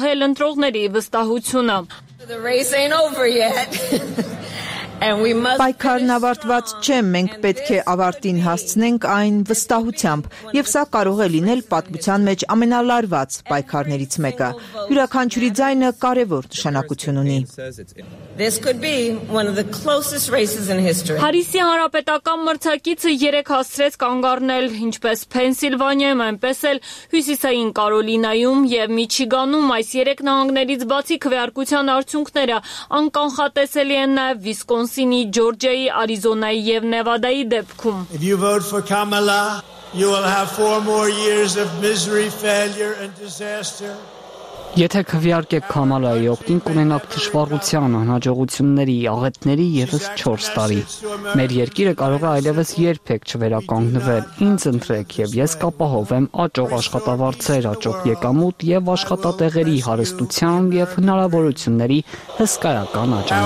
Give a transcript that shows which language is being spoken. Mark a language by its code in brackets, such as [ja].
[en] The race ain't over yet. [hy] Պայքարն ավարտված չէ, մենք պետք է ավարտին հասցնենք այն վստահությամբ, եւ սա կարող է լինել պատմության մեջ ամենալարված պայքարներից մեկը։ Յուրաքանչյուրի ձայնը կարևոր նշանակություն ունի։ [en] This could be one of the closest races in history. [hy] Փարիսի հանրապետական մրցակիցը 3 հասցրեց կանգ առնել, ինչպես Փենսիլվանիայում, այնպես էլ Հյուսիսային Կարոլինայում եւ Միչիգանում այս 3 նահանգներից բացի քվեարկության արդյունքները անկանխատեսելի են նաեւ Վիսկոնսինի, Ջորջիայի, Արիզոնայի եւ Նեվադայի դեպքում։ [en] If you vote for Kamala, you will have 4 more years of misery, failure and disaster. [hy] Եթե քվեարկեք Քամալայի օգտին, կունենաք դժվարության, անհաջողությունների, աղետների եւս 4 տարի։ Մեր երկիրը կարող է այլևս երբեք չվերականգնվել։ Ինձ ընտրեք եւ ես կապահովեմ աճող աշխատավարձեր, աճող եկամուտ եւ աշխատատեղերի հարստության եւ հնարավորությունների հսկայական